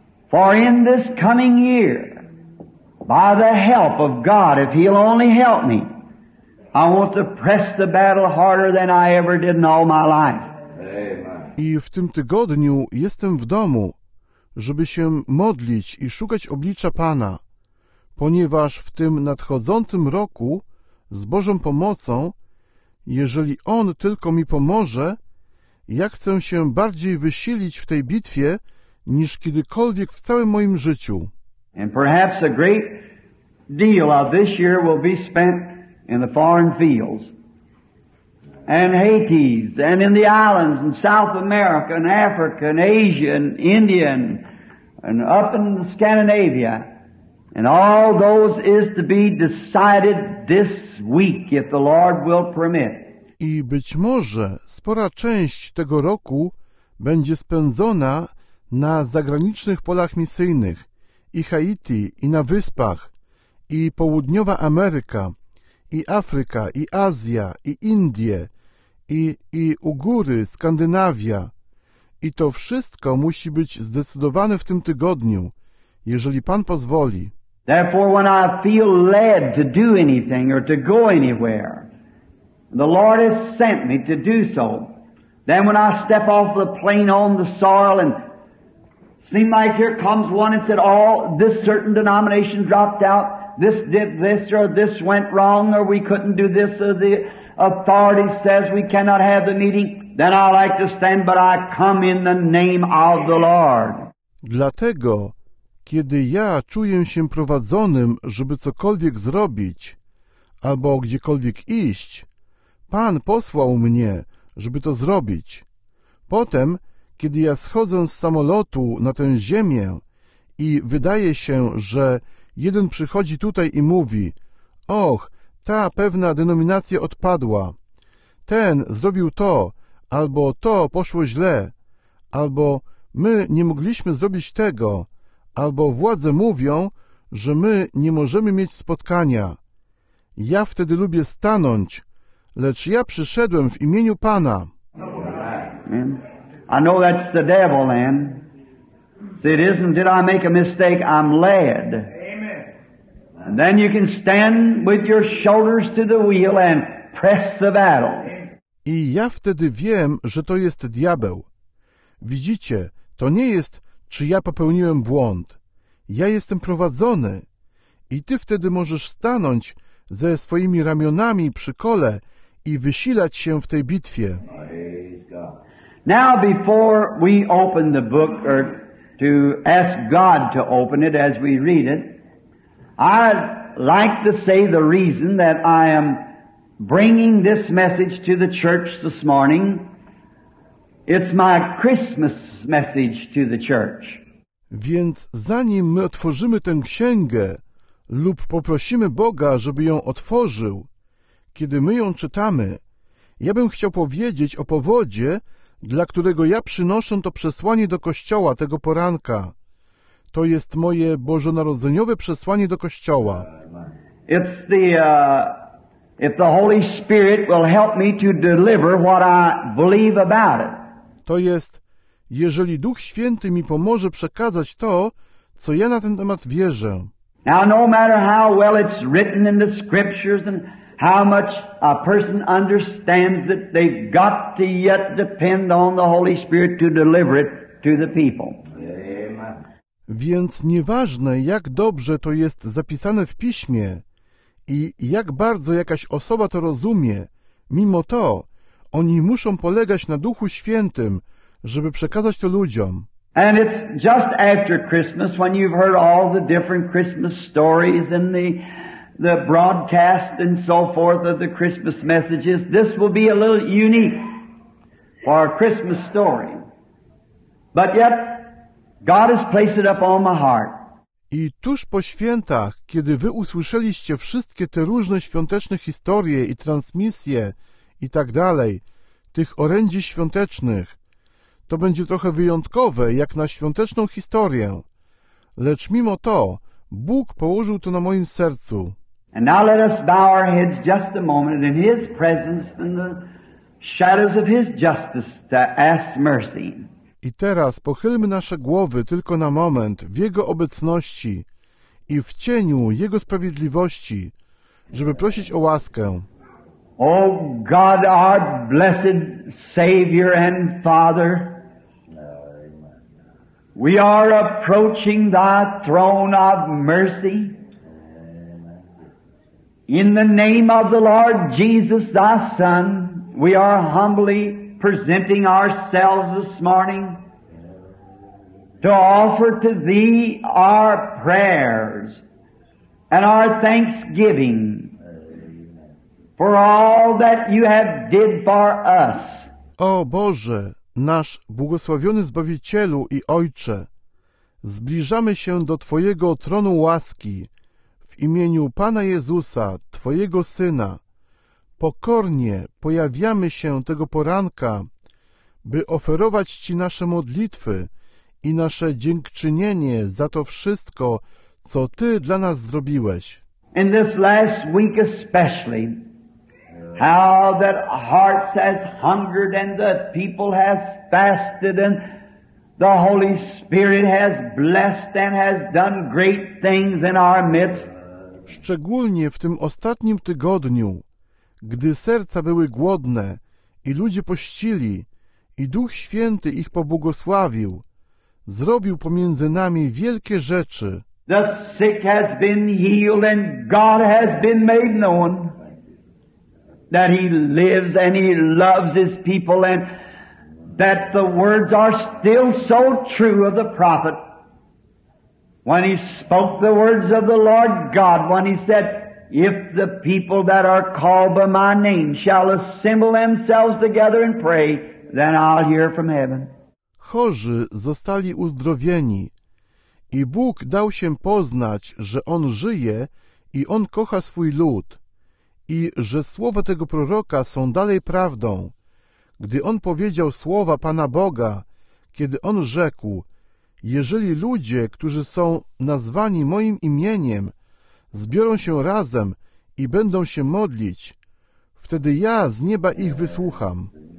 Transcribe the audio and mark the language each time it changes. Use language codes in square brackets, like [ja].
[en] For in this coming year, by the help of God, if He'll only help me, I want to press the battle harder than I ever did in all my life. [pl] I w tym tygodniu jestem w domu, żeby się modlić i szukać oblicza Pana, ponieważ w tym nadchodzącym roku, z Bożą pomocą, jeżeli On tylko mi pomoże, ja chcę się bardziej wysilić w tej bitwie niż kiedykolwiek w całym moim życiu. [en] And perhaps a great deal of this year will be spent in the foreign fields. And Haiti, and in the islands, and South America, and Africa, and Asia, and India, and up in Scandinavia. And all those is to be decided this week, if the Lord will permit. [pl] I być może spora część tego roku będzie spędzona na zagranicznych polach misyjnych, i Haiti, i na wyspach, i Południowa Ameryka, i Afryka, i Azja, i Indie, i u góry Skandynawia. I to wszystko musi być zdecydowane w tym tygodniu, jeżeli Pan pozwoli. [en] Therefore, when I feel led to do anything or to go anywhere, the Lord has sent me to do so. Then when I step off the plane on the soil and seem like here comes one and said, oh, this certain denomination dropped out, this did this or this went wrong or we couldn't do this or the authority says we cannot have the meeting, then I like to stand, but I come in the name of the Lord. [pl] Dlatego, kiedy ja czuję się prowadzonym, żeby cokolwiek zrobić, albo gdziekolwiek iść, Pan posłał mnie, żeby to zrobić. Potem, kiedy ja schodzę z samolotu na tę ziemię i wydaje się, że jeden przychodzi tutaj i mówi: och, ta pewna denominacja odpadła, ten zrobił to, albo to poszło źle, albo my nie mogliśmy zrobić tego, albo władze mówią, że my nie możemy mieć spotkania. Ja wtedy lubię stanąć, lecz ja przyszedłem w imieniu Pana. [en] I know that's the devil then. See, it isn't, did I make a mistake? I'm led. And then you can stand with your shoulders to the wheel and press the battle. [pl] I ja wtedy wiem, że to jest diabeł. Widzicie, to nie jest, czy ja popełniłem błąd. Ja jestem prowadzony. I ty wtedy możesz stanąć ze swoimi ramionami przy kole i wysilać się w tej bitwie. [en] Now before we open the book or to ask God to open it as we read it, I'd like to say the reason that I am bringing this message to the church this morning. It's my Christmas message to the church. [pl] Więc zanim my otworzymy tę księgę lub poprosimy Boga, żeby ją otworzył, kiedy my ją czytamy, ja bym chciał powiedzieć o powodzie, dla którego ja przynoszę to przesłanie do Kościoła tego poranka. To jest moje bożonarodzeniowe przesłanie do Kościoła. [en] It's the, if the Holy Spirit will help me to deliver what I believe about it. [pl] To jest, jeżeli Duch Święty mi pomoże przekazać to, co ja na ten temat wierzę. [en] Now no matter how well it's written in the scriptures and how much a person understands it, they've got to yet depend on the Holy Spirit to deliver it to the people. [pl] Więc nieważne, jak dobrze to jest zapisane w Piśmie i jak bardzo jakaś osoba to rozumie, mimo to oni muszą polegać na Duchu Świętym, żeby przekazać to ludziom. [en] And it's just after Christmas when you've heard all the different Christmas stories and the broadcast and so forth of the Christmas messages. This will be a little unique for our Christmas story. But yet, God has placed it up on my heart. [pl] I tuż po świętach, kiedy wy usłyszeliście wszystkie te różne świąteczne historie i transmisje i tak dalej, tych orędzi świątecznych, to będzie trochę wyjątkowe, jak na świąteczną historię. Lecz mimo to, Bóg położył to na moim sercu. [en] And now let us bow our heads just a moment in His presence in the shadows of His justice to ask mercy. [pl] I teraz pochylmy nasze głowy tylko na moment w Jego obecności i w cieniu Jego sprawiedliwości, żeby prosić o łaskę. [en] O God, our blessed Savior and Father, we are approaching Thy throne of mercy. In the name of the Lord Jesus, Thy Son, we are humbly presenting ourselves this morning to offer to Thee our prayers and our thanksgiving for all that You have did for us. [pl] O Boże, nasz błogosławiony Zbawicielu i Ojcze, zbliżamy się do Twojego tronu łaski. W imieniu Pana Jezusa, Twojego Syna, pokornie pojawiamy się tego poranka, by oferować Ci nasze modlitwy i nasze dziękczynienie za to wszystko, co Ty dla nas zrobiłeś. [en] In this last week especially, how that hearts has hungered and the people has fasted and the Holy Spirit has blessed and has done great things in our midst. [pl] Szczególnie w tym ostatnim tygodniu, gdy serca były głodne i ludzie pościli i Duch Święty ich pobłogosławił, zrobił pomiędzy nami wielkie rzeczy. [en] The sick has been healed and God has been made known that He lives and He loves His people and that the words are still so true of the prophet. When he spoke the words of the Lord God, when he said, if the people that are called by my name shall assemble themselves together and pray, then I'll hear from heaven. [pl] chorzy zostali uzdrowieni i Bóg dał się poznać, że On żyje i On kocha swój lud i że słowa tego proroka są dalej prawdą, gdy on powiedział słowa Pana Boga, kiedy on rzekł: jeżeli ludzie, którzy są nazwani moim imieniem, zbiorą się razem i będą się modlić, wtedy ja z nieba ich wysłucham.